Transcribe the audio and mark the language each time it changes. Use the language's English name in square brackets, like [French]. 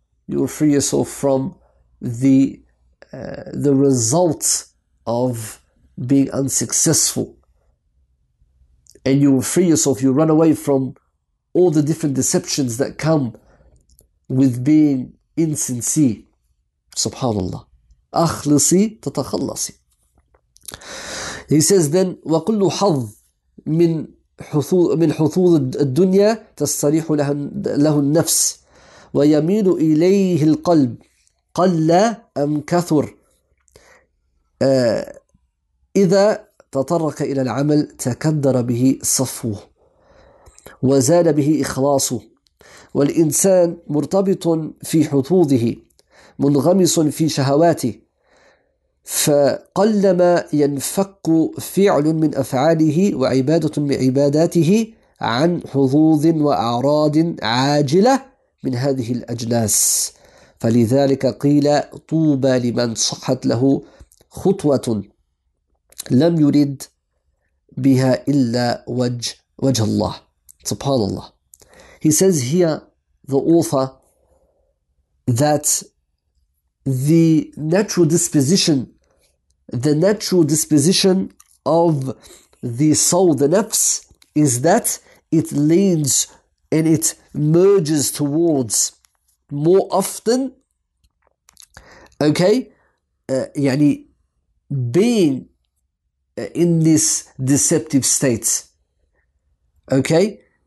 [English] You will free yourself from the result of being unsuccessful. And you will free yourself, you run away from all the different deceptions that come with being insincere. [Arabic] SubhanAllah. أخلصي تتخلصي. [English] He says then, [Arabic] وكل حظ من حظوظ الدنيا تستريح له النفس ويميل إليه القلب قل أم كثر إذا تطرق إلى العمل تكدر به صفوه وزال به إخلاصه والإنسان مرتبط في حظوظه منغمس في شهواته فقلما ينفك فعل من أفعاله وعبادة من عباداته عن حظوظ وأعراض عاجلة من هذه الأجناس فلذلك قيل طوبى لمن صحت له خطوة لم يرد بها إلا وجه الله. SubhanAllah. [English] He says here, the author, that the natural disposition of the soul, the nafs, is that it leans and it merges towards more often, okay, yani being in this deceptive state, okay?